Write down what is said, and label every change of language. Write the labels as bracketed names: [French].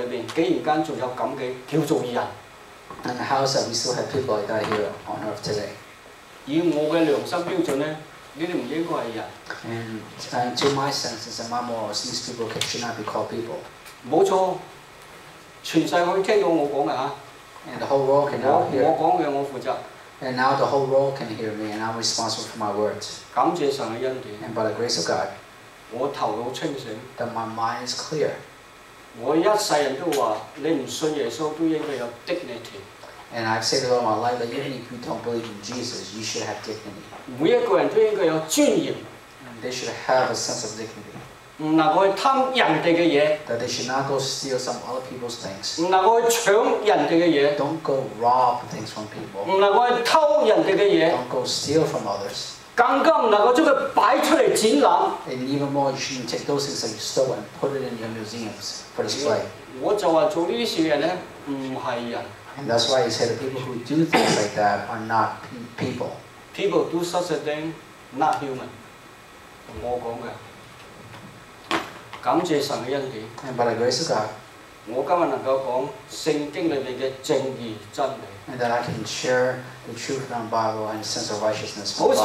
[Cantonese] 實際上，竟然間喺呢個世代裏邊，竟然間仲有咁嘅叫做人 [English] ？And how is that we still have people like that here on earth today? [Cantonese] 以我嘅良心標準咧。呢啲唔應該係人。 [English] And to my senses and my morals, these people should not be called people. [Cantonese] 冇錯，全世界可以聽到我講嘅嚇。 [English] And the whole world can now hear. [Cantonese] 我講嘅我負責。 [English] And now the whole world can hear me, and I'm responsible for my words. [Cantonese] 感謝神嘅恩典。 [English] And by the grace of God. [Cantonese] 我頭腦清醒。 [English] That my mind is clear. [Cantonese] 我一世人都話，你唔信耶穌都應該有 dignity。 [English] And I've said it all my life that even if you don't believe in Jesus, you should have dignity. [Cantonese] 每一個人都應該有尊嚴。 [English] They should have a sense of dignity. [Cantonese] 唔能夠貪人哋嘅嘢。 [English] That they should not go steal some other people's things. [Cantonese] 唔能夠搶人哋嘅嘢。 [English] Don't go rob things from people. [Cantonese] 唔能夠偷人哋嘅嘢。 [English] Don't go steal from others. [Cantonese] 更加唔能夠將佢擺出嚟展覽。 [English] And even more, you shouldn't take those things that you stole and put it in your museums for display. [Cantonese] 我就話做呢啲事嘅人咧，唔係人。 [English] And that's why he said the people who do things like that are not people. People do such a thing, not human. [Cantonese] 我講嘅，感謝神嘅恩典。 [English] And by the grace of God, [Cantonese] 我今日能夠講聖經裏面嘅正義真理。 [English] And that I can share the truth from the Bible and sense of righteousness.